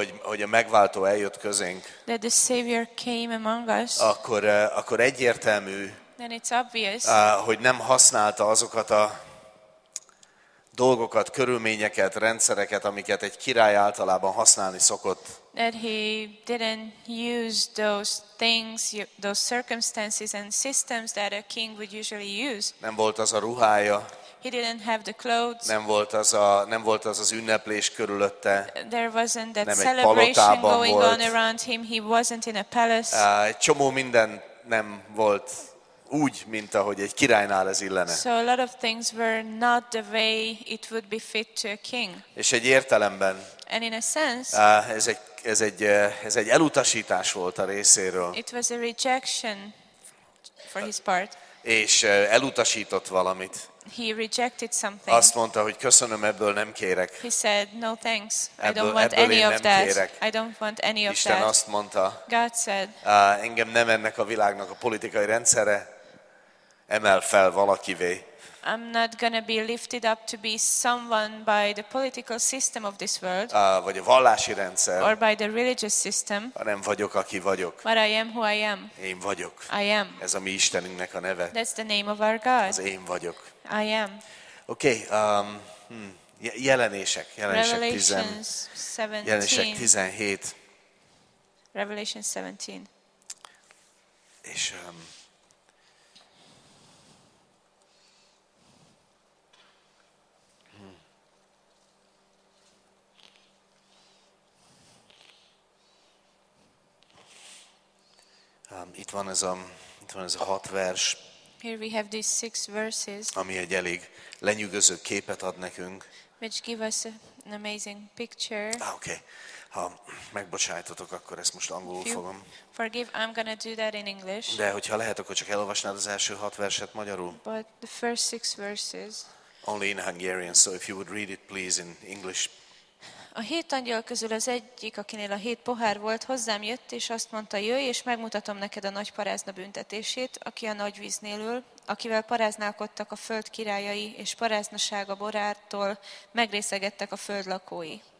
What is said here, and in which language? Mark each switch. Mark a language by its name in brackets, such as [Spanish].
[Hungarian] hogy a megváltó eljött közénk, [English] that the Savior came among us, [Hungarian] akkor egyértelmű, [English] then it's obvious, [Hungarian] hogy nem használta azokat a dolgokat, körülményeket, rendszereket, amiket egy király általában használni szokott. [English] That he didn't use those things, those circumstances and systems that a king would usually use. [Hungarian] Nem volt az a ruhája. [English] He didn't have the clothes. [Hungarian] Nem volt az az ünneplés körülötte. [English] There wasn't that celebration going on around him. He wasn't in a palace. [Hungarian] Egy csomó minden nem volt úgy, mint ahogy egy királynál ez illene. [English] So a lot of things were not the way it would be fit to a king. [Hungarian] És egy értelemben. [English] And in a sense. [Hungarian] Ez egy elutasítás volt a részéről. [English] It was a rejection for his part. [Hungarian] És elutasított valamit. [English] He rejected something. [Hungarian] Azt mondta, hogy köszönöm, ebből nem kérek. [English] He said no thanks. I don't want any of that. I don't want any of that. [Hungarian] Isten azt mondta. [English] God said. [Hungarian] Engem nem ennek a világnak a politikai rendszere emel fel valakivé. [English] I'm not gonna be lifted up to be someone by the political system of this world. [Hungarian] Vagy a vallási rendszer. [English] Or by the religious system. [Hungarian] Hanem vagyok, aki vagyok. [English] But I am who I am. [Hungarian] Én vagyok. [English] I am. [Hungarian] Ez a mi Istenünknek a neve. [English] That's the name of our God. [Hungarian] Az én vagyok. [English] I am. [Hungarian] Okay. Jelenések 17. [English] Revelation 17. [Hungarian] És itt van ez a 6 vers. [English] Here we have these 6 verses. [Hungarian] Ami egy elég lenyűgöző képet ad nekünk. [English] Which give us an amazing picture. Okay. [Hungarian] Ha megbocsájtotok, akkor ezt most angolul fogom. [English] Forgive, I'm gonna do that in English. [Hungarian] De hogyha lehet, akkor csak elolvasnád az első 6 verset magyarul. [English] But the first 6 verses. Only in Hungarian, so if you would read it please in English. [Hungarian] A hét angyal közül az egyik, akinél a hét pohár volt, hozzám jött, és azt mondta, jöjj, és megmutatom neked a nagy parázna büntetését, aki a nagy víznél ül, akivel paráználkodtak a föld királyai, és paráznasága borától megrészegettek a föld lakói.